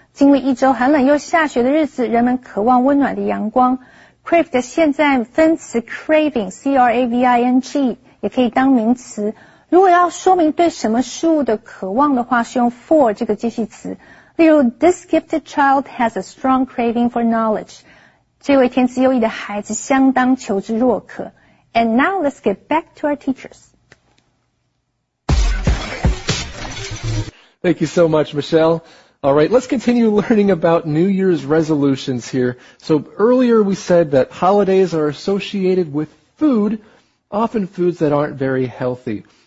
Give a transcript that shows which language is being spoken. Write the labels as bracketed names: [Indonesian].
[Chinese] 经历一周寒冷又下雪的日子，人们渴望温暖的阳光。 Crave 的现在分词 craving, C-R-A-V-I-N-G, 也可以当名词。如果要说明对什么事物的渴望的话，是用 for 这个介系词。例如 [English] ,this gifted child has a strong craving for knowledge. [Chinese] 这位天资优异的孩子相当求知若渴。 [English] And now let's get back to our teachers. Thank you so much, Michelle. All right, let's continue learning about New Year's resolutions here. So earlier we said that holidays are associated with food, often foods that aren't very healthy.